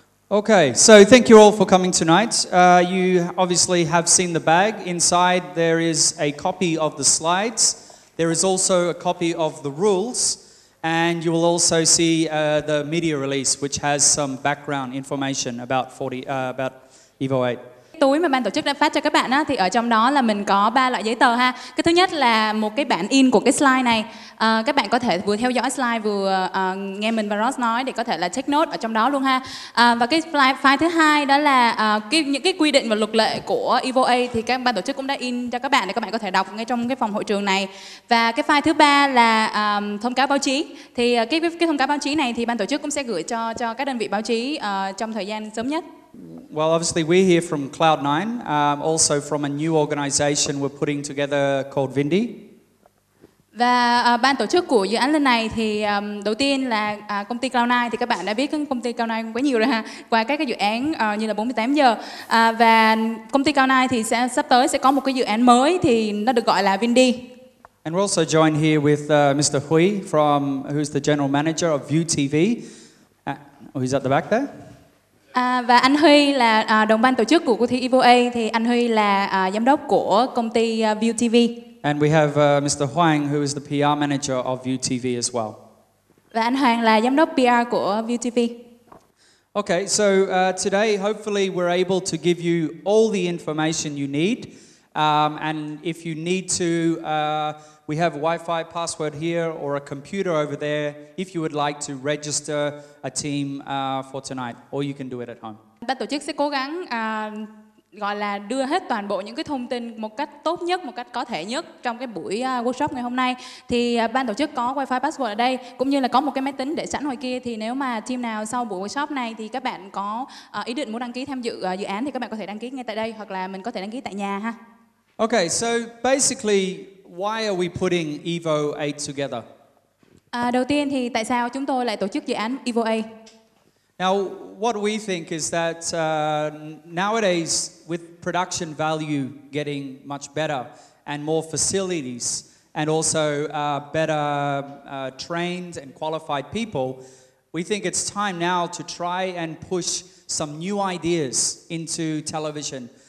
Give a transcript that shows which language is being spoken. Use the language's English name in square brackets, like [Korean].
[English] Okay, so thank you all for coming tonight. You obviously have seen the bag. Inside there is a copy of the slides. There is also a copy of the rules. And you will also see the media release, which has some background information about EVO 8. [Vietnamese] Túi mà ban tổ chức đã phát cho các bạn á, thì ở trong đó là mình có ba loại giấy tờ ha. Cái thứ nhất là một cái bản in của cái slide này. Các bạn có thể vừa theo dõi slide vừa nghe mình và Ross nói để có thể là take note ở trong đó luôn ha. Và cái file thứ hai đó là những cái quy định và luật lệ của EVO A thì các ban tổ chức cũng đã in cho các bạn để các bạn có thể đọc ngay trong cái phòng hội trường này. Và cái file thứ ba là thông cáo báo chí. Thì cái thông cáo báo chí này thì ban tổ chức cũng sẽ gửi cho các đơn vị báo chí trong thời gian sớm nhất. [English] Well, obviously, we're here from Cloud9, also from a new organization we're putting together called VINDIE. [Vietnamese] Và ban tổ chức của dự án lần này thì đầu tiên là công ty Cloud9, thì các bạn đã biết công ty Cloud9 quá nhiều rồi ha, qua các cái dự án như là 48 giờ. Và công ty Cloud9 thì sắp tới sẽ có một cái dự án mới thì nó được gọi là VINDIE. [English] And we're also joined here with Mr. Hui, who's the general manager of VTV. Who's at the back there? [Vietnamese] Và anh Huy là đồng ban tổ chức của cuộc thi EVO A, thì anh Huy là giám đốc của công ty VTV. [English] And we have Mr. Hoàng, who is the PR manager of VTV as well. [Vietnamese] Và anh Hoàng là giám đốc PR của VTV. [English] Okay, so today hopefully we're able to give you all the information you need. And if you need to, we have a Wi-Fi password here or a computer over there if you would like to register a team for tonight, or you can do it at home. [Vietnamese] Ban tổ chức sẽ cố gắng gọi là đưa hết toàn bộ những cái thông tin một cách tốt nhất, một cách có thể nhất trong cái buổi workshop ngày hôm nay. Thì ban tổ chức có Wi-Fi password ở đây, cũng như là có một cái máy tính để sẵn ngoài kia. Thì nếu mà team nào sau buổi workshop này thì các bạn có ý định muốn đăng ký tham dự dự án thì các bạn có thể đăng ký ngay tại đây, hoặc là mình có thể đăng ký tại nhà ha. [English] Okay, so basically, why are we putting EVO 8 together? [Vietnamese] Đầu tiên thì tại sao chúng tôi lại tổ chức dự án EVO 8? [English] Now, what we think is that nowadays, with production value getting much better and more facilities and also better trained and qualified people, we think it's time now to try and push some new ideas into television.